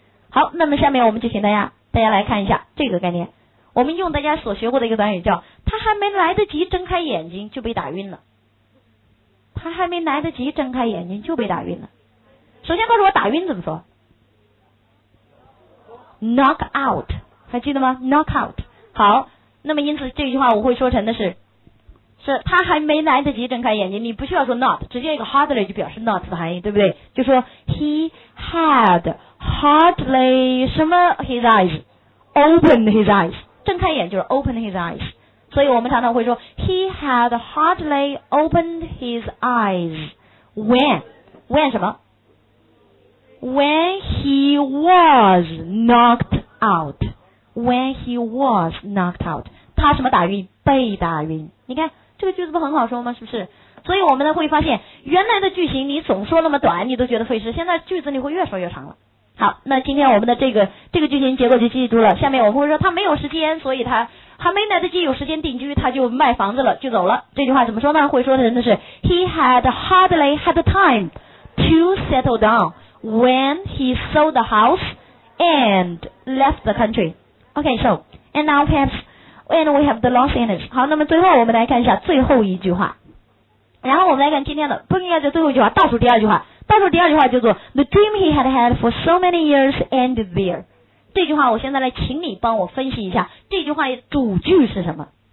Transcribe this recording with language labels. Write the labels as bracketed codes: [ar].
[zh] 好，那么下面我们就请大家来看一下这个概念，我们用大家所学过的一个短语叫他还没来得及睁开眼睛就被打晕了，他还没来得及睁开眼睛就被打晕了。首先告诉我打晕怎么说， knock out， 还记得吗？ [en] knock out。 [zh] 好，那么因此这句话我会说成的是，是他还没来得及睁开眼睛，你不需要说 not， 直接一个 hardly 就表示 not 的含义，对不对？就说 [en] he had hardly [zh] 什么 [en] his eyes， opened his eyes， [zh] 睁开眼就是 [en] opened his eyes。 [zh] 所以我们常常会说 [en] he had hardly opened his eyes when [zh] 什么， [en] when he was knocked out， when he was knocked out， [zh] 他什么打晕，被打晕。你看这个句子不很好说吗？是不是？所以我们呢会发现，原来的句型你总说那么短，你都觉得费事，现在句子你会越说越长了。好，那今天我们的这个句型结构就记住了。下面我们会说，他没有时间，所以他还没来得及有时间定居，他就卖房子了，就走了。这句话怎么说呢？会说的人的是 [en] ，He had hardly had time to settle down when he sold the house and left the country. Okay, so and now perhaps. And we have the last sentence. [zh] 好，那么最后我们来看一下最后一句话，然后我们来看今天的，不应该是最后一句话，倒数第二句话，倒数第二句话叫做 [en] The dream he had had for so many years ended there. [zh] 这句话我现在来请你帮我分析一下，这句话主句是什么？